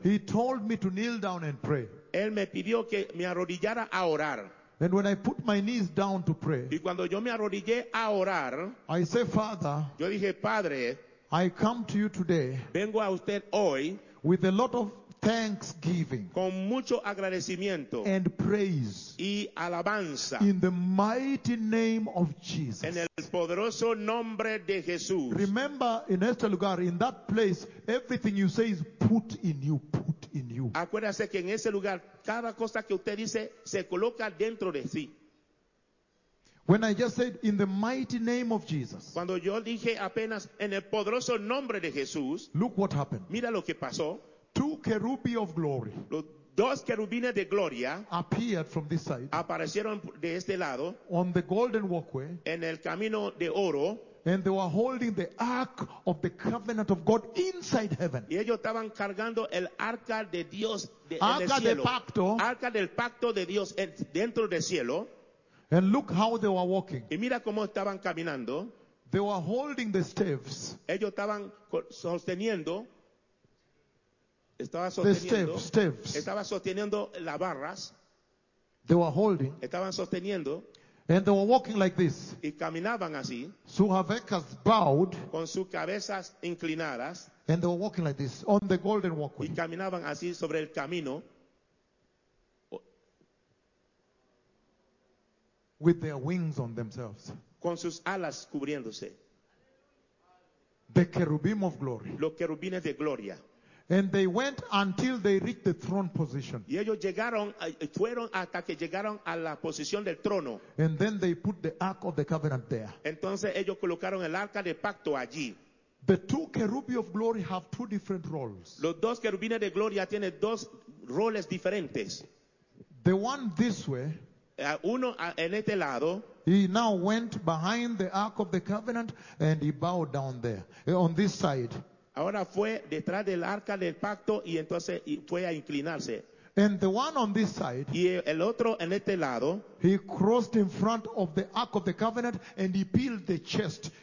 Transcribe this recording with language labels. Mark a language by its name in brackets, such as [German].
[English] He told me to kneel down and pray. [Spanish] Él me pidió que me arrodillara a orar. [English] And when I put my knees down to pray. [Spanish] Y cuando yo me arrodillé a orar. [English] I say, Father. [Spanish] Yo dije, Padre. [English] I come to you today. [Spanish] Vengo a usted hoy. [English] With a lot of thanksgiving. [Spanish] Con mucho agradecimiento. [English] And praise. [Spanish] Y alabanza. [English] In the mighty name of Jesus. [Spanish] En el poderoso nombre de Jesús. [English] Remember in [Spanish] este lugar, [English] in that place, everything you say is put in you, put in you. [Spanish] Acuérdese que en ese lugar, cada cosa que usted dice se coloca dentro de sí. [English] When I just said, in the mighty name of Jesus. [Spanish] Cuando yo dije apenas, en el poderoso nombre de Jesús. [English] Look what happened. [Spanish] Mira lo que pasó. [English] Two cherubim of glory. [Spanish] Dos querubines de gloria [English] appeared from this side, [Spanish] aparecieron de este lado, [English] on the golden walkway, [Spanish] en el camino de oro, [English] and they were holding the ark of the covenant of God inside heaven. [Spanish] Y ellos estaban cargando el arca de Dios de, arca en el cielo, de pacto, arca del pacto de Dios dentro del cielo. [English] And look how they were walking. [Spanish] Y mira cómo estaban caminando. [English] They were holding the staves. [Spanish] Ellos estaban sosteniendo. Estaba sosteniendo, [English] the staves. [Spanish] Estaba sosteniendo las barras. [English] They were holding. [Spanish] Estaban sosteniendo. [English] And they were walking like this. [Spanish] Y caminaban así. [English] Su havecas bowed. [Spanish] Con sus cabezas inclinadas. [English] And they were walking like this on the golden walkway. [Spanish] Y caminaban así sobre el camino. [English] With their wings on themselves. [Spanish] Con sus alas cubriéndose. [English] The cherubim of glory. [Spanish] Los querubines de gloria. [English] And they went until they reached the throne position. [Spanish] Y ellos llegaron, fueron hasta que llegaron a la posición del trono. [English] And then they put the ark of the covenant there. [Spanish] Entonces ellos colocaron el arca de pacto allí. [English] The two cherubim of glory have two different roles. [Spanish] Los dos querubines de gloria tienen dos roles diferentes. [English] The one this way. [Spanish] Uno en este lado. [English] He now went behind the ark of the covenant and he bowed down there on this side. [Spanish] Ahora fue detrás del arca del pacto y entonces fue a inclinarse. [English] And the one on this side, [Spanish] y el otro en este lado, [English] he crossed in front of the ark of the covenant and he peeled the chest.